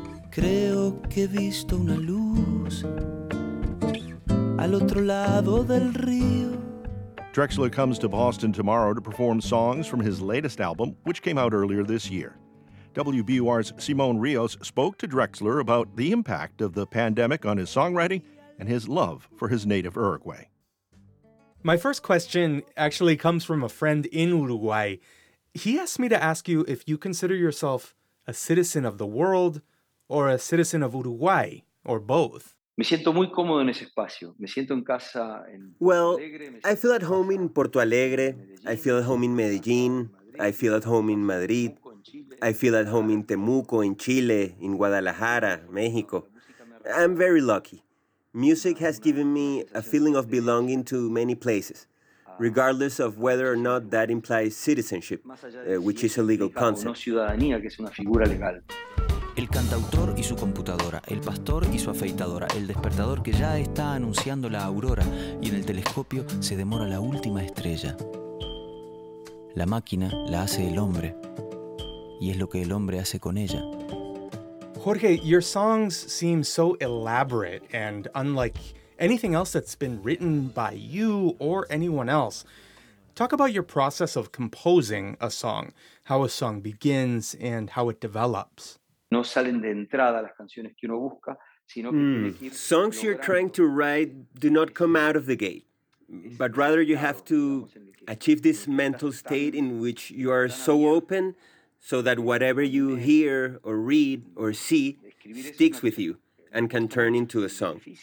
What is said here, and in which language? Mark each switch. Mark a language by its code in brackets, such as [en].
[es] Creo que he visto una luz al otro lado del río. [en] Drexler comes to Boston tomorrow to perform songs from his latest album, which came out earlier this year. WBUR's Simone Rios spoke to Drexler about the impact of the pandemic on his songwriting and his love for his native Uruguay. My first question actually comes from a friend in Uruguay. He asked me to ask you if you consider yourself a citizen of the world or a citizen of Uruguay, or both. Well, I feel at home in Porto Alegre, I feel at home in Medellin, I feel at home in Madrid, I feel at home in Temuco, in Chile, in Guadalajara, Mexico. I'm very lucky. Music has given me a feeling of belonging to many places, regardless of whether or not that implies citizenship, which is a legal concept. [es] El cantautor y su computadora, el pastor y su afeitadora, el despertador que ya está anunciando la aurora, y en el telescopio se demora la última estrella. La máquina la hace el hombre, y es lo que el hombre hace con ella. [en] Jorge, your songs seem so elaborate and unlike anything else that's been written by you or anyone else. Talk about your process of composing a song, how a song begins and how it develops. [es] No salen de entrada las canciones que uno busca, sino que tiene que ir... [en] Songs you're trying to write do not come out of the gate, but rather you have to achieve this mental state in which you are so open so that whatever you hear or read or see sticks with you and can turn into a song.